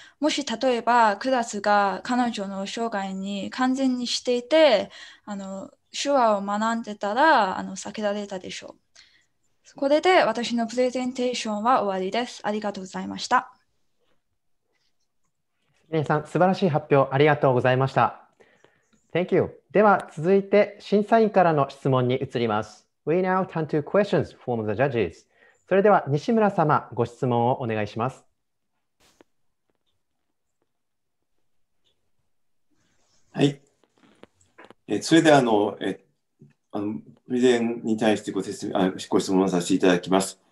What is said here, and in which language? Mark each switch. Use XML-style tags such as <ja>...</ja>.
<ja>もし例えばクラスが彼女の生涯に完全にしていて、手話を学んでたら避けられたでしょう。これで私のプレゼンテーションは終わりです。ありがとうございました。皆さん、素晴らしい発表ありがとうございました。</ja> <en>Thank you.</en> <ja>では続いて審査員からの質問に移ります。</ja> <en>We now turn to questions from the judges.</en> <ja>それでは西村様、ご質問をお願いします。はい、それではプレゼンに対してご質問させていただきます。</ja>